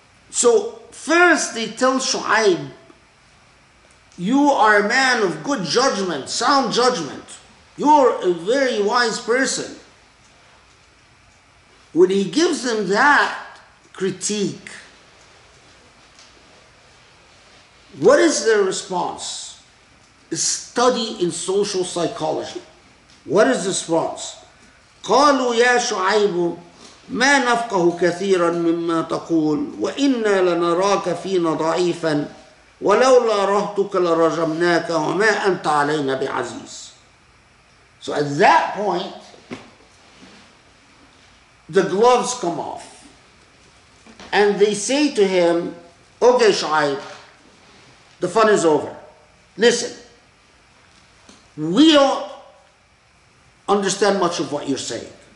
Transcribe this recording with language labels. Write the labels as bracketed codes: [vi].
[en] So first they tell Shu'aib, you are a man of good judgment, sound judgment. You're a very wise person. When he gives them that critique, what is their response? Study in social psychology. What is the response? [ar] قالوا يا شعيب ما نفقه كثيرا مما تقول وإنا لنراك فينا ضعيفا ولولا رهتك لرجمناك وما أنت علينا بعزيز. [en] So at that point, the gloves come off. And they say to him, okay, Shu'aib, the fun is over. Listen, we don't understand much of what you're saying.